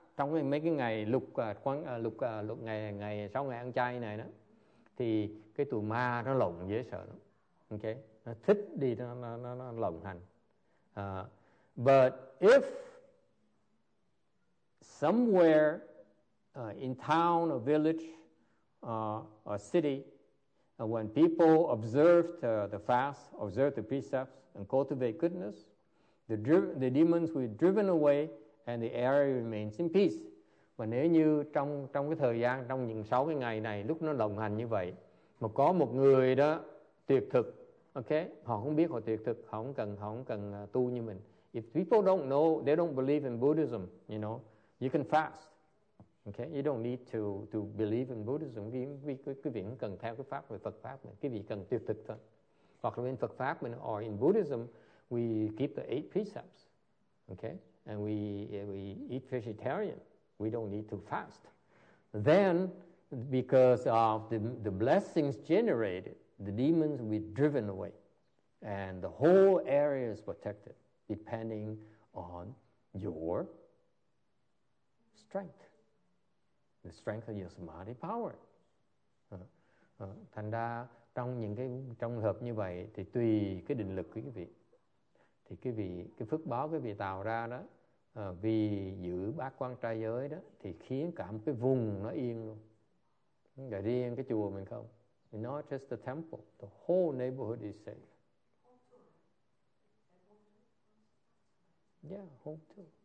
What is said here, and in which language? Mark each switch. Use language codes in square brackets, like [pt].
[vi] Trong mấy cái ngày ngày sau ngày ăn chay này đó, thì cái tụi ma nó lộng dễ sợ lắm. Okay, nó thích đi nó lộng hành. [en] But if somewhere in town or village or city, when people observed the fast, observed the precepts, and cultivate goodness, the demons were driven away, and the area remains in peace. [vi] Và nếu như trong trong cái thời gian trong những sáu cái ngày này lúc nó đồng hành như vậy, mà có một người đó tuyệt thực, okay, họ không biết họ tuyệt thực, họ không cần tu như mình. [en] If people don't know, they don't believe in Buddhism, you know, you can fast, okay, you don't need to believe in Buddhism. [vi] Quý vị không cần theo cái pháp về Phật pháp mình, quý vị cần tuyệt thực thôi. Hoặc là bên Phật pháp mình, [en] or in Buddhism, we keep the eight precepts, okay, and we eat vegetarian. We don't need to fast. Then, because of the blessings generated, the demons will be driven away, and the whole area is protected, depending on your strength, the strength of your samadhi power. [vi] Thành ra trong những cái trong hợp như vậy thì tùy cái định lực của quý vị, thì quý vị cái phước báo quý vị tạo ra đó. Vì giữ bát quan trai giới đó thì khiến cả một cái vùng nó yên luôn. Để riêng cái chùa mình không. [en] Not just the temple, the whole neighborhood is safe. Yeah, home too.